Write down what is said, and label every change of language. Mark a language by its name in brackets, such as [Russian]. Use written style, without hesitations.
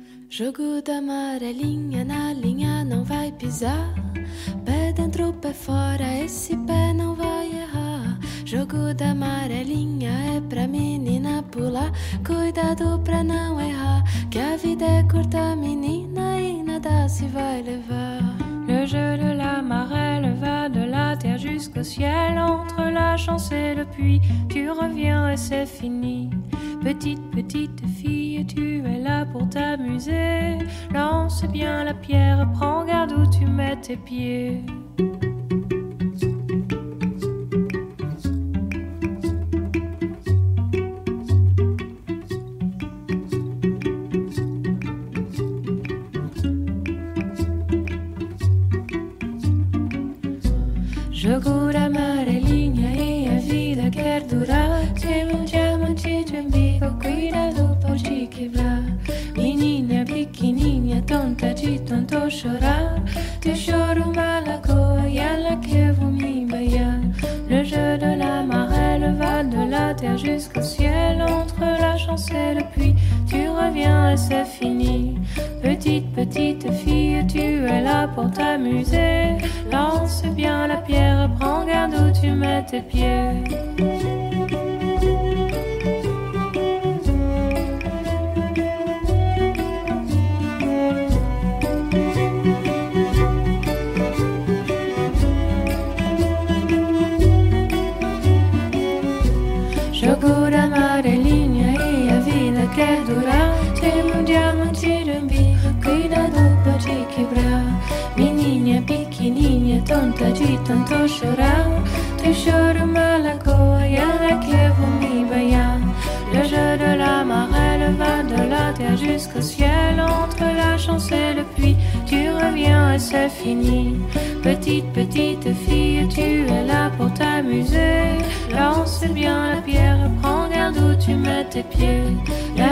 [Portuguese] Jogo da amarelinha na linha não vai pisar. Pé dentro, pé fora, esse pé não vai errar. Jogo da amarelinha é pra menina pular. Cuidado pra não errar, que a vida é curta, menina, e nada se vai levar. [French] Le jeu de la marelle va de la terre jusqu'au ciel. Entre la chance et le puits, tu reviens et c'est fini. Petite, petite fille, tu es là pour t'amuser. Lance bien la pierre, prends garde où tu mets tes pieds. [Portuguese] Jogo da amarelinha e a vida quer durar. Tem um diamante de umbigo, cuidado, pode quebrar. Menina pequenininha, tonta de tanto chorar. Te choro uma lagoa e ela que eu vou me banhar. [French] Le jeu de la marelle va de la terre jusqu'au ciel. Entre la chance et le puits, tu reviens et c'est fini. Petite, petite fille, tu es là pour t'amuser. Lance bien la pierre, prends garde où tu mets tes pieds. [Portuguese] Jogo da amarelinha e a vida quer durar. Tem um diamante de um bico, cuidado pra te quebrar. Menina pequenininha, tonta de tanto chorar. Te choro uma lagoa e ela que eu vou me banhar. [French] Le jeu de la marelle va de la terre jusqu'au ciel. Entre la chance et le puits, tu reviens et c'est fini. Petite, petite fille, tu es là pour t'amuser. Lance bien la pierre, prends garde où tu mets tes pieds.